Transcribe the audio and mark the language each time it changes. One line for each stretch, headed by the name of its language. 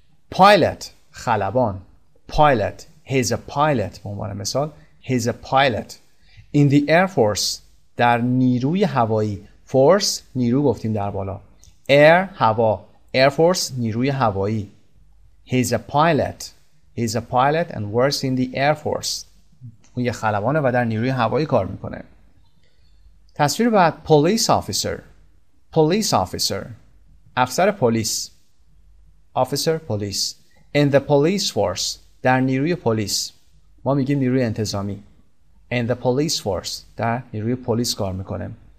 English: pilot،
Persian: خلبان.
English: pilot، he's a pilot،
Persian: به عنوان مثال
English: he's a pilot. in the air force،
Persian: در نیروی هوایی. force نیرو گفتیم در بالا، air هوا، air force نیروی هوایی.
English: he's a pilot، he's a pilot and works in the air force.
Persian: اون یه خلبانه و در نیروی هوایی کار میکنه. تصویر بعد پلیس آفیسر، پلیس آفیسر، افسر پلیس. آفیسر پلیس.
English: in the police force،
Persian: در نیروی پلیس. ما میگیم نیروی انتظامی.
English: And the police force،
Persian: در نیروی پلیس کار میکنه.